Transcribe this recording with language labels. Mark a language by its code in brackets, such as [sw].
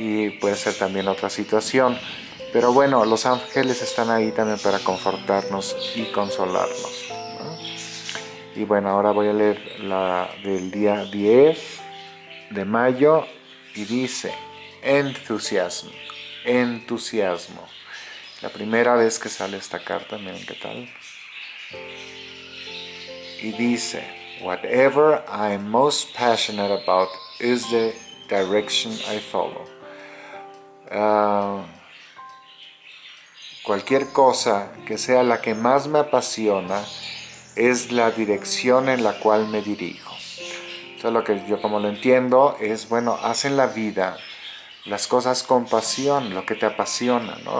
[es] Y puede ser también otra situación. Pero bueno, los ángeles están ahí también para confortarnos y consolarnos, ¿no? Y bueno, ahora voy a leer la del día 10 de mayo y dice, entusiasmo, entusiasmo. La primera vez que sale esta carta, miren qué tal. Y dice, [en] whatever I am most passionate about is the direction I follow. [es] Cualquier cosa que sea la que más me apasiona es la dirección en la cual me dirijo. Eso es lo que yo como lo entiendo, es bueno, haz en la vida las cosas con pasión, lo que te apasiona, ¿no?